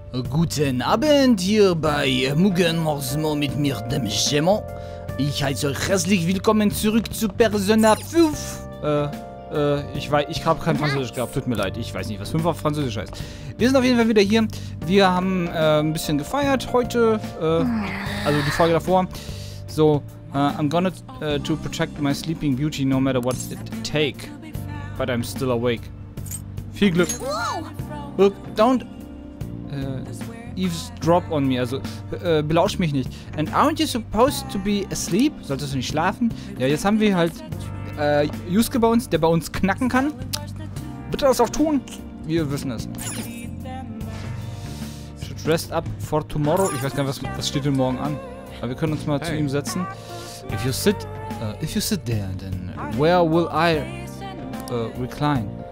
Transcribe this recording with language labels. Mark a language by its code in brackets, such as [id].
[de] Guten Abend hier bei Mugen Morsmo mit mir, dem Schemon. Ich heiße euch herzlich willkommen zurück zu Persona 5. Ich habe kein Französisch gehabt, tut mir leid, ich weiß nicht, was 5 auf Französisch heißt. Wir sind auf jeden Fall wieder hier. Wir haben ein bisschen gefeiert heute, also die Folge davor. [en] So, I'm gonna to protect my sleeping beauty no matter what it take. But I'm still awake. [de] Viel Glück. [en] Don't eavesdrop on me, [de] also belausch mich nicht. [en] And aren't you supposed to be asleep? [de] Solltest du nicht schlafen? Ja, jetzt haben wir halt Yusuke bei uns, der bei uns knacken kann. Bitte das auch tun. Wir wissen es. [en] Dressed up for tomorrow. [de] Ich weiß gar nicht, was steht denn morgen an. Aber wir können uns mal zu ihm setzen. [en] If you sit there, then where will I recline?